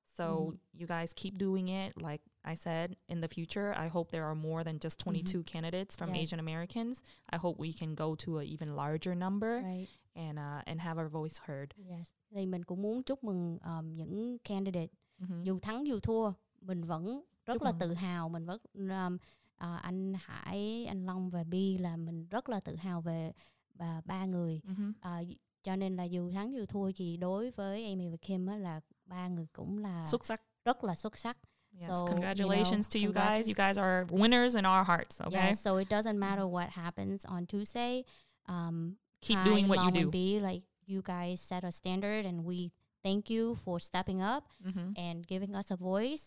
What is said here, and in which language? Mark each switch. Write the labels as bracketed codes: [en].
[en] So you guys keep doing it. Like I said, in the future, I hope there are more than just 22 candidates from Asian Americans. I hope we can go to an even larger number. Right. And have our voice heard. [vi] Yes, thì mình cũng muốn chúc mừng những candidate. Dù thắng dù thua, mình vẫn rất là tự hào. Mình vẫn anh Hải, anh Long và Bi là mình rất là tự hào về ba người. Cho nên là dù thắng dù thua thì đối với Amy và Kim á, là ba người cũng là xuất sắc. Rất là xuất sắc. [en] Yes, so, congratulations to you guys. You guys are winners in our hearts, okay? Yes, so it doesn't matter what happens on Tuesday. Keep doing what Long and do. Bi, like, you guys set a standard and we thank you for stepping up and giving us a voice.